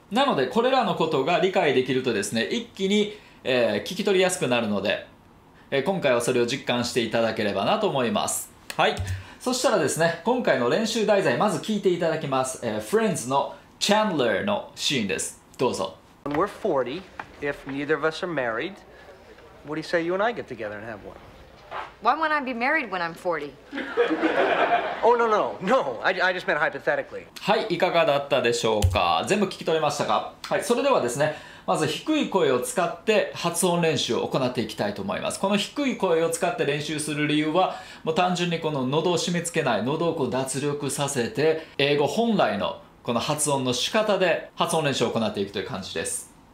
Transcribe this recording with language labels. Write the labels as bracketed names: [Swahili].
[Japanese] なのでこれらのことが理解できるとですね、一気に、聞き取りやすくなるので、今回はそれを実感していただければなと思います。はい、そしたらですね、今回の練習題材まず聞いていただきます。 Friends のチャンドラーのシーンです。どうぞ。 [English] We're 40. If neither of us are married, what do you say you and I get together and have one? Why won't I be married when I'm 40? Oh, no, no, no. I just meant hypothetically. [Japanese] はい、いかがだったでしょうか。全部聞き取れましたか。はい、それではですね、まず低い声を使って発音練習を行っていきたいと思います。この低い声を使って練習する理由は、もう単純にこの喉を締め付けない、喉をこう脱力させて英語本来のこの発音の仕方で発音練習を行っていくという感じです。